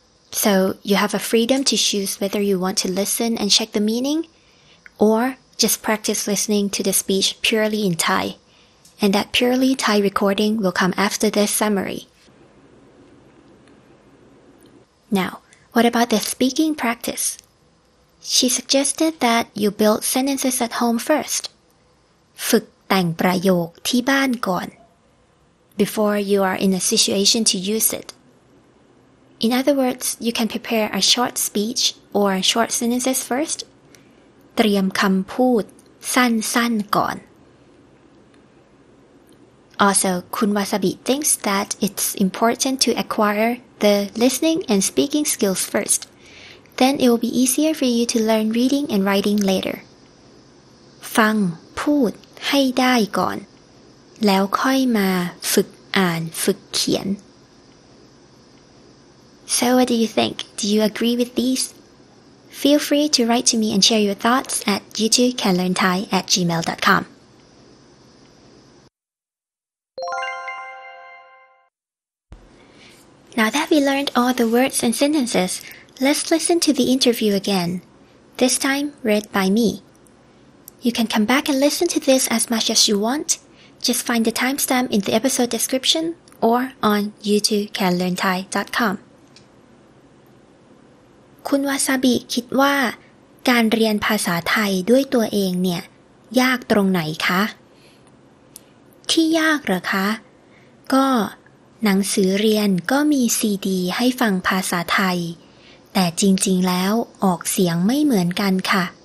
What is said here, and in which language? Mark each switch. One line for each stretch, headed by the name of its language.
English: So you have a freedom to choose whether you want to listen and check the meaning orJust practice listening to the speech purely in Thai. And that purely Thai recording will come after this summary. Now, what about the speaking practice? She suggested that you build sentences at home first.
Thai: ฝึกแต่งประโยคที่บ้านก่อน
English: before you are in a situation to use it. In other words, you can prepare a short speech or short sentences first
Thai: เตรียมคำพูดสั้นๆก่อน
English: Also, Kun Wasabi thinks that it's important to acquire the listening and speaking skills first. Then it will be easier for you to learn reading and writing later.
Thai: ฟังพูดให้ได้ก่อนแล้วค่อยมาฝึกอ่านฝึกเขียน
English: So what do you think? Do you agree with these? Feel free to write to me and share your thoughts at you2canlearnthai@gmail.com. Now that we learned all the words and sentences, let's listen to the interview again, this time read by me. You can come back and listen to this as much as you want. Just find the timestamp in the episode description or on youtubecanlearnthai.com
Thai: คุณวาซาบิคิดว่าการเรียนภาษาไทยด้วยตัวเองเนี่ยยากตรงไหนคะที่ยากเหรอคะก็หนังสือเรียนก็มีซีดีให้ฟังภาษาไทยแต่จริงๆแล้วออกเสียงไม่เหมือนกันค่ะ